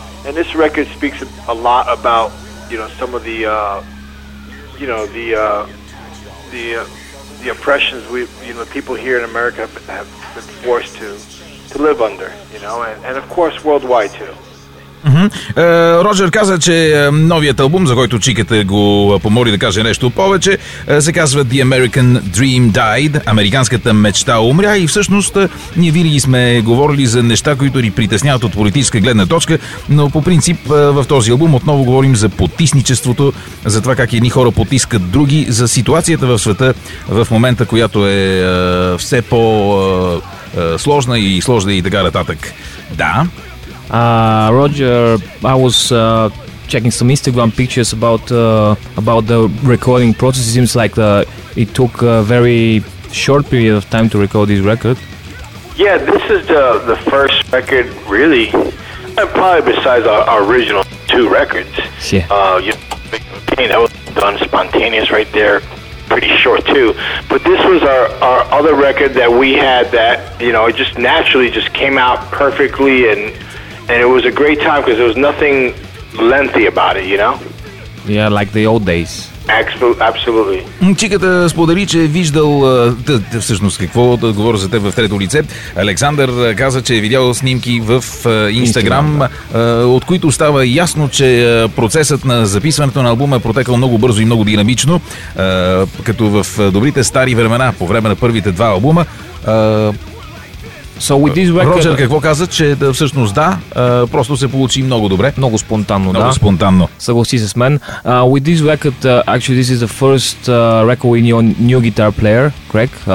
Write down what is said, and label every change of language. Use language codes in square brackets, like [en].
[en] And this record speaks a lot about, you know, some of the, you know, the oppressions we, you know, people here in America have been forced to live under, you know, and of course worldwide too. Mm-hmm. [bg] Роджер каза, че новият албум, за който Чикът го помоли да каже нещо повече, се казва The American Dream Died, американската мечта умря, и всъщност ние винаги сме говорили за неща, които ни притесняват от политическа гледна точка, но по принцип в този албум отново говорим за потисничеството, за това как едни хора потискат други, за ситуацията в света в момента, която е все по-сложна и сложна и така нататък. Да. [en] Roger, I was checking some Instagram pictures about the recording process. It seems like it took a very short period of time to record this record. Yeah, this is the first record, really, probably besides our original two records. Yeah. You know, that was done spontaneous right there, pretty short too. But this was our other record that we had that, you know, it just naturally just came out perfectly. And it was a great time because there was nothing lengthy about it, you know? Yeah, like the old days. Absolutely. [bg] Чиката сподели, че е виждал, всъщност какво да говоря за теб в трето лице. Александър каза, че е видял снимки в Instagram, от които става ясно, че процесът на записването на албума е протекал много бързо и много динамично, като в добрите стари времена, по време на първите два албума. [en] So with this record, [bg] Роджер какво каза, че да, всъщност да, просто се получи много добре. Много спонтанно, много да. Много спонтанно. Съгласи се с мен. [en] With this record, actually this is the first record in your new guitar player, Craig.